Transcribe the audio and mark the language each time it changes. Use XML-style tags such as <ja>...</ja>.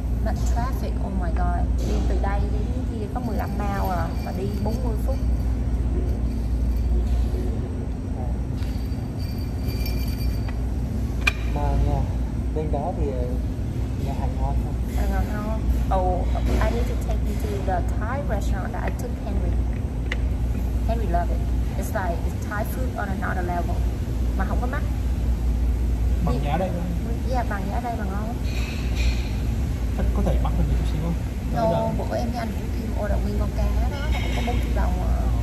<vi>Mà traffic,</vi> <en>oh my god,</en> <vi>đi từ đây đến kia có 15 mile à, mà đi 40 phút. Mà nhà, bên đó thì nhà hàng ngon không?</vi> <en>Oh, I need to take you to the Thai restaurant that I took Henry. Henry loved it. It's like it's Thai food on another level.</en> <vi>Mà không có mắc. Bằng giá đây không? Yeah, bằng giá đây mà ngon. Thật có thể mắc hơn nhiều xíu không? No, bữa em với anh cũng kêu order nguyên con cá đó, nó cũng có 40 đồng à.</vi>